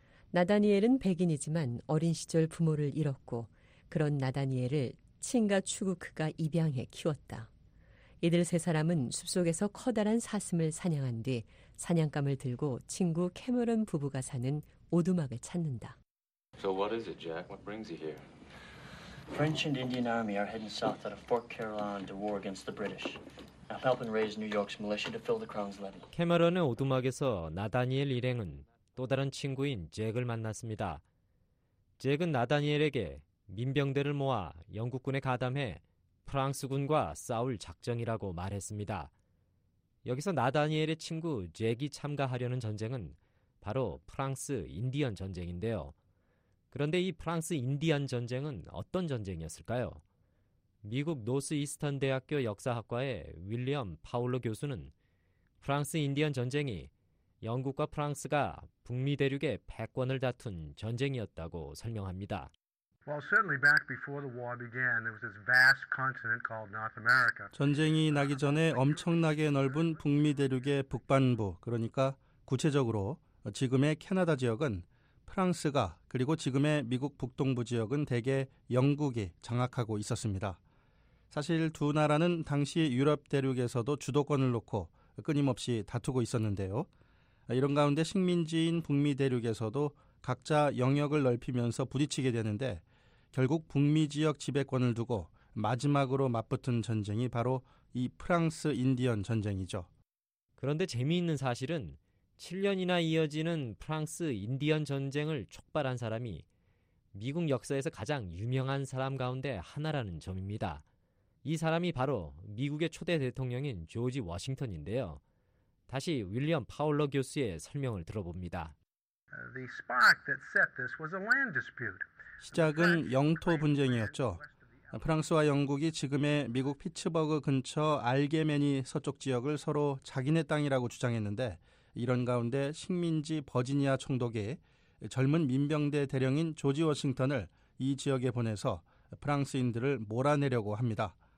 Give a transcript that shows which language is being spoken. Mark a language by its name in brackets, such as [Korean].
[Korean] 나다니엘은 백인이지만 어린 시절 부모를 잃었고, 그런 나다니엘을 친가 추구크가 입양해 키웠다. 이들 세 사람은 숲속에서 커다란 사슴을 사냥한 뒤 사냥감을 들고 친구 캐머런 부부가 사는 오두막을 찾는다. [English] So what is it, Jack? What brings you here? French and Indian army are heading south out of Fort Caroline to war against the British. I'm helping raise New York's militia to fill the Crown's levy. [Korean] 캐머런의 오두막에서 나다니엘 일행은 또 다른 친구인 잭을 만났습니다. 잭은 나다니엘에게 민병대를 모아 영국군에 가담해 프랑스군과 싸울 작정이라고 말했습니다. 여기서 나다니엘의 친구 잭이 참가하려는 전쟁은 바로 프랑스 인디언 전쟁인데요. 그런데 이 프랑스 인디언 전쟁은 어떤 전쟁이었을까요? 미국 노스 이스턴 대학교 역사학과의 윌리엄 파울로 교수는 프랑스 인디언 전쟁이 영국과 프랑스가 북미 대륙의 패권을 다툰 전쟁이었다고 설명합니다. [English] Well, certainly back before the war began, there was this vast continent called North America. [Korean] 전쟁이 나기 전에 엄청나게 넓은 북미 대륙의 북반부, 그러니까 구체적으로 지금의 캐나다 지역은 프랑스가, 그리고 지금의 미국 북동부 지역은 대개 영국이 장악하고 있었습니다. 사실 두 나라는 당시 유럽 대륙에서도 주도권을 놓고 끊임없이 다투고 있었는데요. 이런 가운데 식민지인 북미 대륙에서도 각자 영역을 넓히면서 부딪히게 되는데, 결국 북미 지역 지배권을 두고 마지막으로 맞붙은 전쟁이 바로 이 프랑스 인디언 전쟁이죠. 그런데 재미있는 사실은 7년이나 이어지는 프랑스 인디언 전쟁을 촉발한 사람이 미국 역사에서 가장 유명한 사람 가운데 하나라는 점입니다. 이 사람이 바로 미국의 초대 대통령인 조지 워싱턴인데요. 다시 윌리엄 파울러 교수의 설명을 들어봅니다. [English] The spark that set this was a land dispute. [Korean] 시작은 영토 분쟁이었죠. 프랑스와 영국이 지금의 미국 피츠버그 근처 알게메니 서쪽 지역을 서로 자기네 땅이라고 주장했는데, 이런 가운데 식민지 버지니아 총독이 젊은 민병대 대령인 조지 워싱턴을 이 지역에 보내서 프랑스인들을 몰아내려고 합니다.